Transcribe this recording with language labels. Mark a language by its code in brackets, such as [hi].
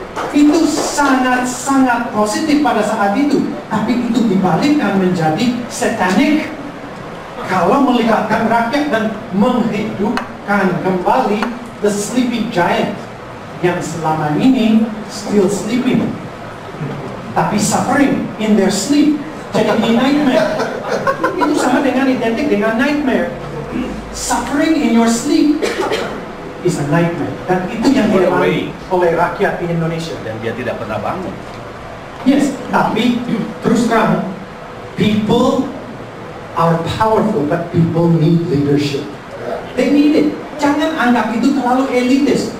[id] Itu sangat-sangat positif pada saat itu, tapi itu dibalikkan menjadi satanik kalau melihatkan rakyat dan menghidupkan kembali [en] the sleeping giant [id] yang selama ini [en] still sleeping [id] tapi [en] suffering in their sleep, [id] jadi nightmare. Itu sama dengan identik dengan nightmare. [en] Suffering in your sleep is a nightmare, [id] dan itu yang dialami oleh rakyat di Indonesia dan dia tidak pernah bangun. [en] Yes, [id] tapi terus terang, [en] people are powerful, but people need leadership. They need it. [id] Jangan anggap itu terlalu elitis.